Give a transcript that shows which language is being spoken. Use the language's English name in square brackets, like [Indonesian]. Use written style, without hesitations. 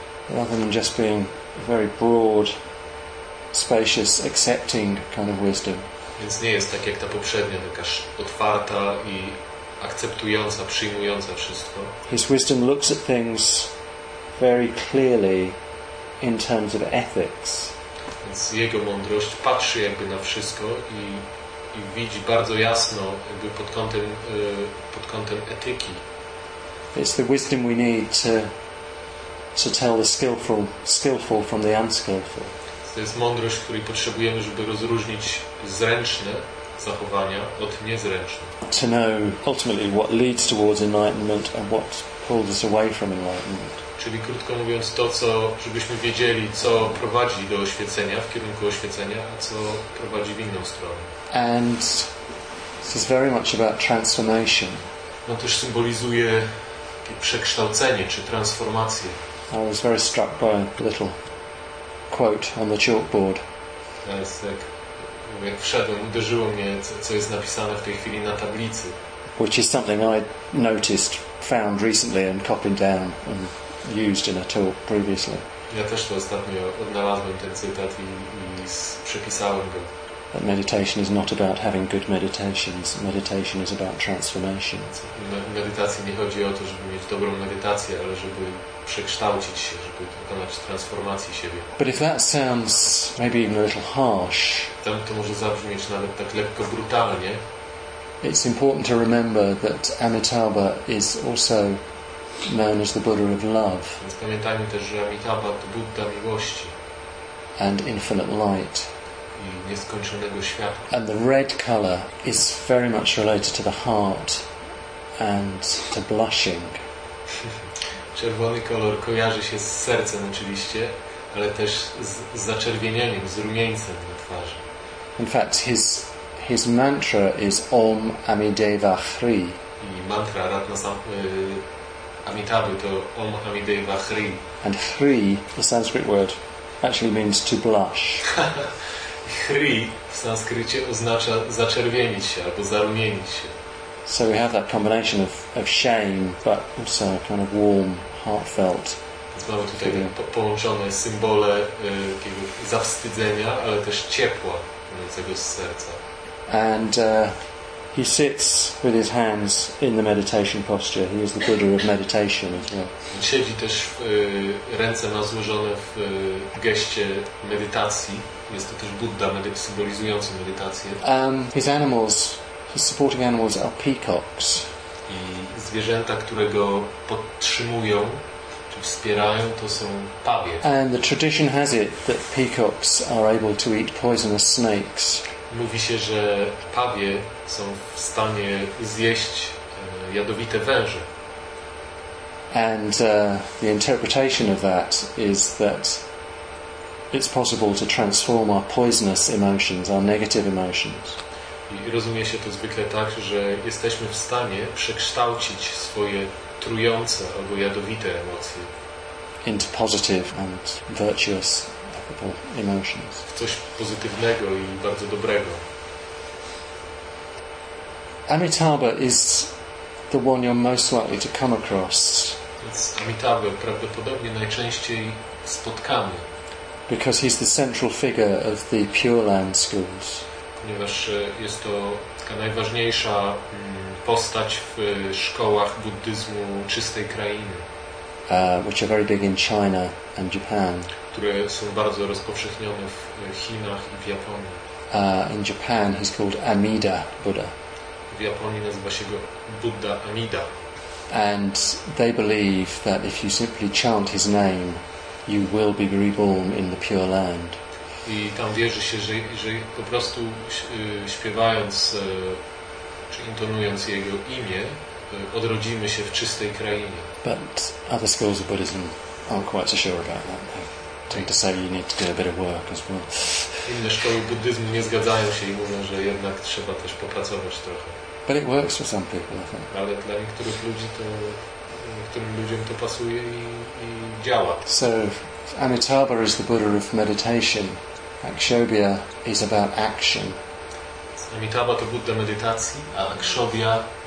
[English] Rather than just being very broad, spacious, accepting kind of wisdom. [Polish] Więc nie jest tak jak ta poprzednia, taka otwarta i akceptująca, przyjmująca wszystko. [English] His wisdom looks at things very clearly in terms of ethics. [Polish] Więc jego mądrość patrzy jakby na wszystko i widzi bardzo jasno jakby pod kątem etyki. [English] It's the wisdom we need to tell the skillful from the unskillful. [Polish] To jest mądrość, której potrzebujemy, żeby rozróżnić zręczne zachowania od niezręcznych. [English] To know ultimately what leads towards enlightenment and what pulls us away from enlightenment. [Polish] Czyli krótko mówiąc to, co żebyśmy wiedzieli, co prowadzi do oświecenia, w kierunku oświecenia, a co prowadzi w inną stronę. [English] And this is very much about transformation. [Polish] No też symbolizuje przekształcenie czy transformację. [English] I was very struck by a little quote on the chalkboard. [Polish] Jak wszedłem, uderzyło mnie, co jest napisane w tej chwili na tablicy. [English] Which is something I noticed, found recently and copied down and used in a talk previously. [Polish] Ja też to ostatnio odnalazłem ten cytat i przepisałem go. [English] That meditation is not about having good meditations. Meditation is about transformation. [Polish] Medytacji nie chodzi o to, żeby mieć dobrą medytację, ale żeby przekształcić się, żeby dokonać transformacji siebie. [English] But if that sounds maybe even a little harsh, [Polish] to może zabrzmieć nawet tak lekko brutalnie. [English] It's important to remember that Amitabha is also known as the Buddha of love. [Polish] Więc pamiętajmy też, że Amitabha to Buddha miłości. [English] And infinite light. [Polish] I nieskończonego światła. [English] And the red color is very much related to the heart and to blushing. [Polish] Czerwony kolor kojarzy się z sercem oczywiście, ale też z zaczerwienieniem, z rumieńcem na twarzy. [English] In fact, his mantra is Om Amideva Hri. [Polish] I mantra Ratna Amitabha to Om Amideva Hri. [English] And Hri, the Sanskrit word, actually means to blush. [Polish] Hri w sanskrycie oznacza zaczerwienić się albo zarumienić się. [English] So we have that combination of shame, but also a kind of warm, heartfelt. [Polish] Znowu tutaj połączone symbole jakiego zawstydzenia, ale też ciepła płynącego z serca. [English] And he sits with his hands in the meditation posture. He is the Buddha of meditation as well. [Polish] On siedzi też w ręce ma złożone w geście medytacji. Jest to też Buddha symbolizujący medytację. [English] His animals, his supporting animals are peacocks. [Polish] I zwierzęta, które go podtrzymują, czy wspierają, to są pawie. [English] And the tradition has it that peacocks are able to eat poisonous snakes. [Polish] Mówi się, że pawie są w stanie zjeść jadowite węże. [English] And the interpretation of that is that it's possible to transform our poisonous emotions, our negative emotions. [Polish] I rozumie się to zwykle tak, że jesteśmy w stanie przekształcić swoje trujące albo jadowite emocje [English] into positive and virtuous emotions. [Polish] W coś pozytywnego i bardzo dobrego. [English] Amitabha is the one you're most likely to come across. [Polish] Więc Amitabha prawdopodobnie najczęściej spotkamy. [English] Because he's the central figure of the Pure Land schools. [Polish] Ponieważ jest to taka najważniejsza postać w szkołach buddyzmu czystej krainy. [English] Which are very big in China and Japan. [Polish] Które są bardzo rozpowszechnione w Chinach i w Japonii. [English] In Japan he's called Amida Buddha. [Polish] W Japonii nazywa się go Buddha Amida. [English] And they believe that if you simply chant his name, you will be reborn in the Pure Land. [Polish] I tam wierzy się, że po prostu śpiewając czy intonując jego imię, odrodzimy się w czystej krainie. [English] But other schools of Buddhism aren't quite so sure about that. Tend to say you need to do a bit of work as well. [Polish] Inne szkoły buddyzmu nie zgadzają się i mówią, że jednak trzeba też popracować trochę. [English] But it works for some people, I think. [Polish] Ale dla niektórych ludzi to, niektórym ludziom to pasuje i działa. [English] So Amitabha is the Buddha of meditation. Akshobhya is about action. [Polish] Amitabha to Buddha medytacji, a Akshobhya.